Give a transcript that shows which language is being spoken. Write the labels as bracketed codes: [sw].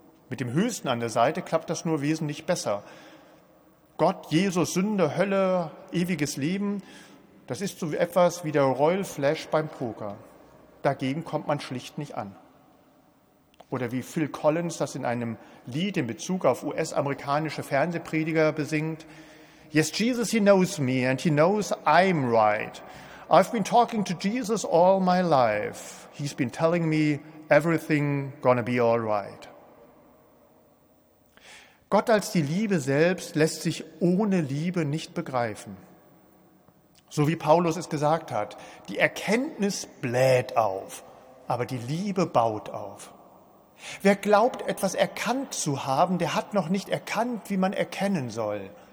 [de] Mit dem Höchsten an der Seite klappt das nur wesentlich besser. Gott, Jesus, Sünde, Hölle, ewiges Leben, das ist so etwas wie der Royal Flush beim Poker. Dagegen kommt man schlicht nicht an. Oder wie Phil Collins das in einem Lied in Bezug auf US-amerikanische Fernsehprediger besingt. [en] Yes, Jesus, he knows me and he knows I'm right. I've been talking to Jesus all my life. He's been telling me everything gonna be all right. [de] Gott als die Liebe selbst lässt sich ohne Liebe nicht begreifen. So wie Paulus es gesagt hat, die Erkenntnis bläht auf, aber die Liebe baut auf. Wer glaubt, etwas erkannt zu haben, der hat noch nicht erkannt, wie man erkennen soll.